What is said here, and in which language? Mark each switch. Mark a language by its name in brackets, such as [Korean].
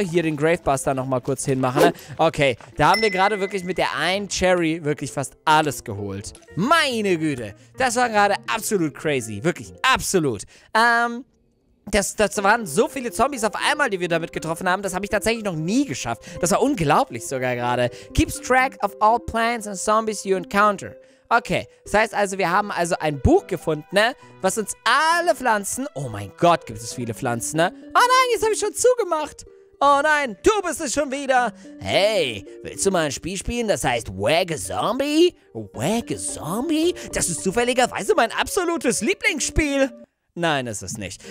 [German] Hier den Gravebuster nochmal kurz hinmachen. Okay, da haben wir gerade wirklich mit der einen Cherry wirklich fast alles geholt. Meine Güte, das war gerade absolut crazy. Wirklich, absolut. Das waren so viele Zombies auf einmal, die wir damit getroffen haben. Das habe ich tatsächlich noch nie geschafft. Das war unglaublich sogar gerade. [English] Keeps track of all plants and zombies you encounter. [German] Okay, das heißt also, wir haben also ein Buch gefunden, ne? Was uns alle Pflanzen... Oh mein Gott, gibt es viele Pflanzen, ne? Oh nein, jetzt habe ich schon zugemacht. Oh nein, du bist es schon wieder. Hey, willst du mal ein Spiel spielen, das heißt Wag a Zombie? Wag a Zombie? Das ist zufälligerweise mein absolutes Lieblingsspiel. Nein, ist es nicht.